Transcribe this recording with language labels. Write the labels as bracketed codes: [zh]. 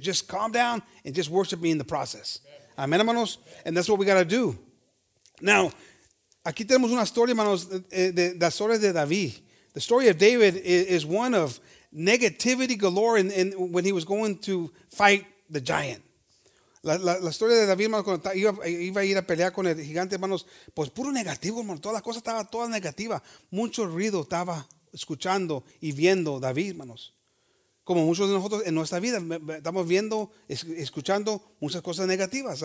[en] Just calm down and just worship me in the process. Amen, hermanos. And that's what we got to do. [es] Now, aquí tenemos una historia, hermanos, de la historia de David. [en] The story of David is one of negativity galore in when he was going to fight the giant. [es] La historia de David, hermanos, cuando iba a ir a pelear con el gigante, hermanos, pues puro negativo, hermanos. Toda la cosa estaba toda negativa. Mucho ruido estaba escuchando y viendo David, hermanos. Como muchos de nosotros en nuestra vida, estamos viendo, escuchando muchas cosas negativas.